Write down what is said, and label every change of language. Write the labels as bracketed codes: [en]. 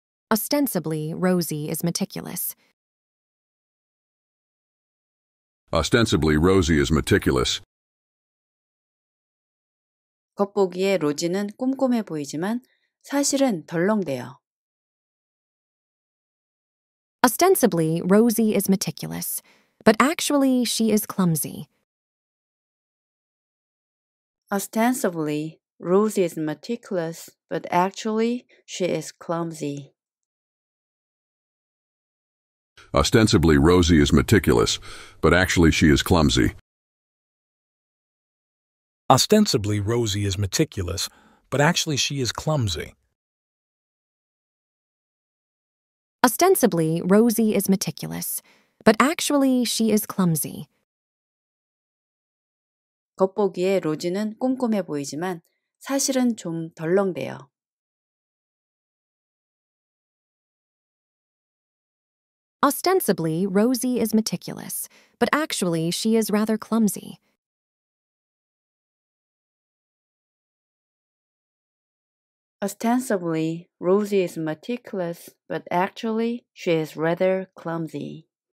[en] Ostensibly, Rosy is meticulous. Ostensibly, Rosy is meticulous. [ko] 겉보기에 로지는 꼼꼼해 보이지만 사실은 덜렁대요. [en] Ostensibly, Rosy is meticulous, but actually she is clumsy. Ostensibly, Rosy is meticulous, but actually she is clumsy. Ostensibly, Rosy is meticulous, but actually she is clumsy. Ostensibly, Rosy is meticulous, but actually she is clumsy. Ostensibly, Rosy is meticulous, but actually she is clumsy. [ko] 겉보기에 로지는 꼼꼼해 보이지만 사실은 좀 덜렁대요. [en] Ostensibly, Rosy is meticulous, but actually she is rather clumsy. Ostensibly, Rosy is meticulous, but actually she is rather clumsy.